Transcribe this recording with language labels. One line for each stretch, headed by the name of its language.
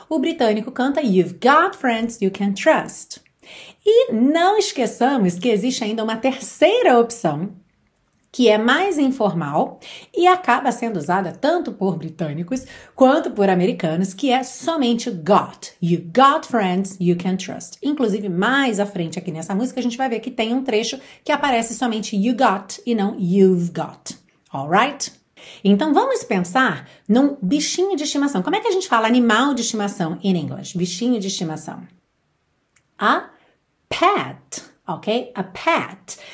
Portuguese: O britânico canta
English: you've got friends you can trust.
Portuguese: E não esqueçamos que existe ainda uma terceira opção, que é mais informal e acaba sendo usada tanto por britânicos quanto por americanos, que é somente got.
English: You got friends you can trust.
Portuguese: Inclusive, mais à frente aqui nessa música, a gente vai ver que tem um trecho que aparece somente you got e não you've got.
English: Alright?
Portuguese: Então, vamos pensar num bichinho de estimação. Como é que a gente fala animal de estimação
English: in English?
Portuguese: Bichinho de estimação.
English: A pet, ok? A pet.